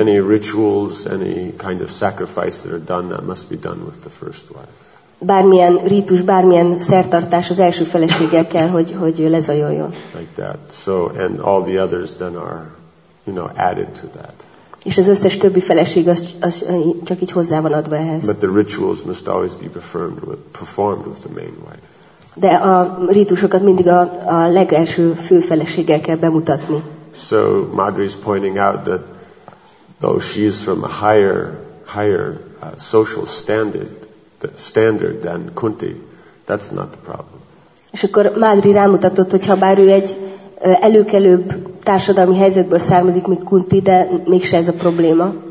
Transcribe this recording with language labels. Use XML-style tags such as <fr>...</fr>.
<en>Any rituals, any kind of sacrifice that are done, that must be done with the first wife.</en> <hu>Bármilyen rítus, bármilyen szertartás az első feleséggel kell, hogy lezajoljon.</hu> <en>Like that. So and all the others then are, you know, added to that.</en> <hu>És az összes többi feleség az csak így hozzá van adva ehhez.</hu> <en>But the rituals must always be performed with the main wife.</en> <hu>De a rítusokat mindig a legelső fő feleséggel kell bemutatni.</hu> <en>So Madri's pointing out that though she is from a higher social standard than Kunti, that's not the problem.</en> <hu>És akkor Madri rámutatott, hogy ha bár ő egy előkelőbb társadalmi helyzetből származik, mint Kunti, de mégse ez a probléma.</hu>